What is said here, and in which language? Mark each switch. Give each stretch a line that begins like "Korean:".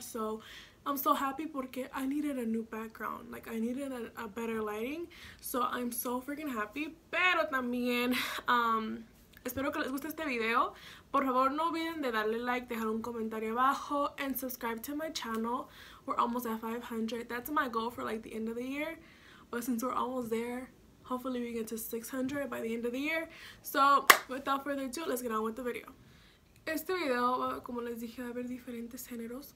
English: So, I'm so happy
Spanish: porque
English: I needed a new background. Like, I needed a better lighting. So, I'm so freaking happy.
Spanish: Pero también, espero que les guste este video. Por favor, no olviden de darle like, dejar un comentario abajo,
English: and subscribe to my channel. We're almost at 500. That's my goal for like the end of the year. But since we're almost there, hopefully we get to 600 by the end of the year. So, without further ado, let's get on with the video.
Spanish: Este video, como les dije, va a haber diferentes géneros.